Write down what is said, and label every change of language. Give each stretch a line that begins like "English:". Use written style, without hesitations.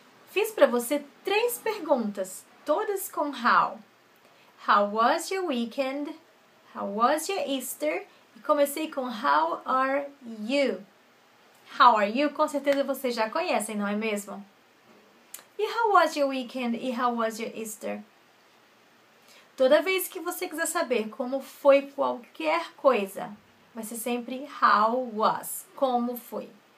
Portuguese: Fiz para você três perguntas, todas com how.
English: How was your weekend? How was your Easter?
Portuguese: E comecei com
English: how are you? How are you?
Portuguese: Com certeza vocês já conhecem, não é mesmo? E
English: how was your weekend?
Portuguese: E
English: how was your Easter?
Portuguese: Toda vez que você quiser saber como foi qualquer coisa, vai ser sempre
English: how was,
Portuguese: como foi.